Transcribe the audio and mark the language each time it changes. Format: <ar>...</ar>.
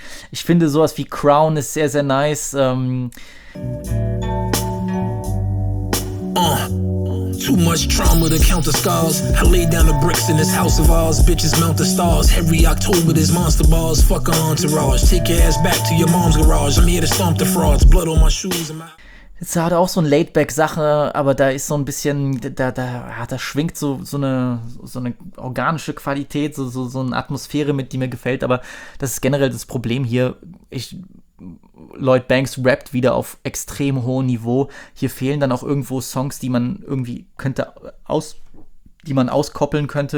<de>Ich finde sowas wie Crown ist sehr, sehr nice.</de> <en>Too much trauma to count the scars. I lay down the bricks in this house of ours. Bitches mount the stars. Every October there's monster bars. Fuck entourage. Take your ass back to your mom's garage. I'm here to stomp the frauds. Blood on my shoes and my...</en> <de>Es hat auch so ein Laidback-Sache, aber da ist so ein bisschen, da schwingt so eine organische Qualität, so eine Atmosphäre mit, die mir gefällt, aber das ist generell das Problem hier. Lloyd Banks rappt wieder auf extrem hohem Niveau. Hier fehlen dann auch irgendwo Songs, die man irgendwie auskoppeln könnte.</de>